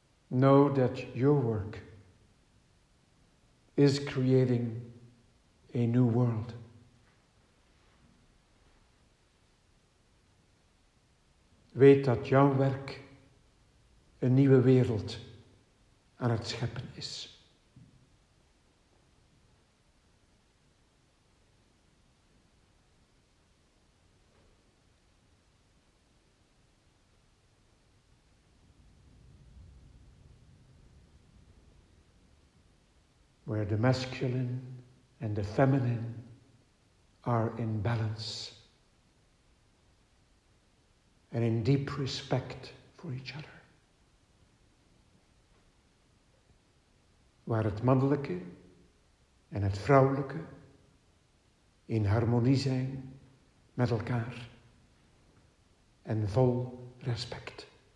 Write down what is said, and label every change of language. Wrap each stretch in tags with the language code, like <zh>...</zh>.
<en>Know that your work is creating a new world.</en> <nl>Weet dat jouw werk een nieuwe wereld aan het scheppen is.</nl> <en>Where the masculine and the feminine are in balance and in deep respect for each other.</en> <nl>Waar het mannelijke en het vrouwelijke in harmonie zijn met elkaar en vol respect.</nl>